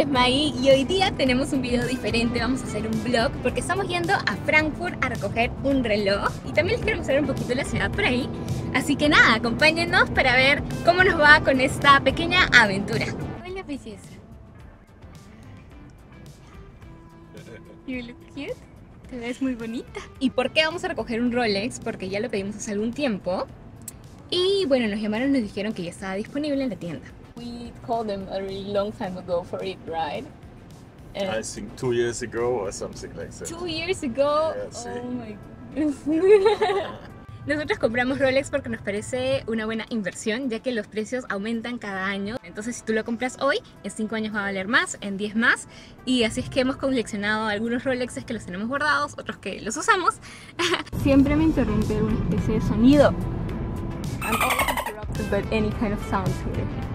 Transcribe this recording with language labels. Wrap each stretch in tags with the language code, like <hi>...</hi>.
<es>Y hoy día tenemos un video diferente, vamos a hacer un vlog porque estamos yendo a Frankfurt a recoger un reloj y también les quiero mostrar un poquito la ciudad por ahí, así que nada, acompáñenos para ver cómo nos va con esta pequeña aventura. Hola, belleza.</es> <en>You look cute.</en> <es>Te ves muy bonita. ¿Y por qué vamos a recoger un Rolex? Porque ya lo pedimos hace algún tiempo y bueno, nos llamaron y nos dijeron que ya estaba disponible en la tienda.</es> <en>We called them a really long time ago for it, right? I think 2 years ago or something like that. 2 years ago? Yeah, oh my god.</en> <es>Nosotros compramos Rolex porque nos parece una buena inversión, ya que los precios aumentan cada año. Entonces, si tú lo compras hoy, en 5 años va a valer más, en 10 más. Y así es que hemos coleccionado algunos Rolexes que los tenemos guardados, otros que los usamos. Siempre me interrumpe una especie de sonido.</es> <en>I'm always interrupted by any kind of sound here.</en>